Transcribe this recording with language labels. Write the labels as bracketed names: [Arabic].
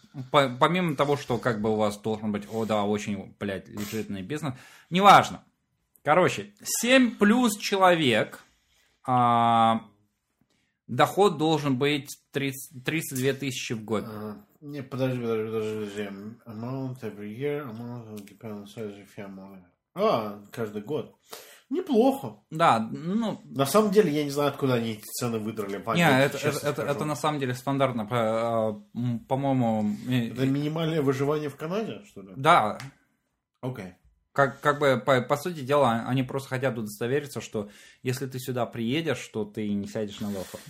[Russian] Помимо того, что как бы у вас должен быть, о да, очень, блядь, лежитный бизнес. Неважно. Короче, 7 плюс человек... доход должен быть 32 тысячи в год. Нет, подожди. [English] Amount every year, amount depends on size of family. [Russian] А, каждый год. Неплохо. Да, ну... На самом деле, я не знаю, откуда они эти цены выдрали. Нет, это на самом деле стандартно, по-моему... Это минимальное выживание в Канаде, что ли? Да. Окей. Как бы, по сути дела, они просто хотят удостовериться, что если ты сюда приедешь, то ты не сядешь на лофт.